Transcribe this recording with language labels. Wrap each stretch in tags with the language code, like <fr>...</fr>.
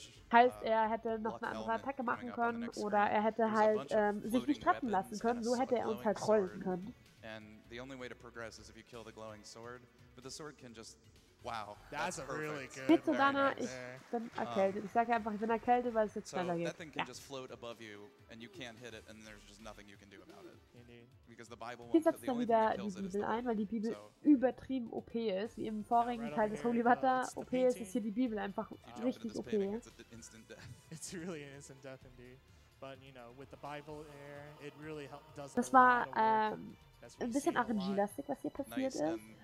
<de>Heißt, er hätte noch eine andere Attacke machen können oder er hätte halt sich nicht treffen lassen können, so hätte er uns halt trollen können. Und der einzige Weg, zu progressieren, ist, wenn du den glowing sword killst. Aber der Sword kann einfach.</de> <en>Wow, that's a really good.</en> <de>Bitte, Dana, ich bin erkältet. Ich sage einfach, ich bin erkältet, weil es jetzt schneller geht.</de> <en>That thing can just float above you and you can't hit it and there's just nothing you can do about it.</en> <de>Hier setzt dann wieder die Bibel ein, weil die Bibel übertrieben OP ist. Wie im vorigen Teil des Holy Water OP ist, ist hier die Bibel einfach richtig OP. Das war ein bisschen RNG-lastig, was hier passiert ist.</de>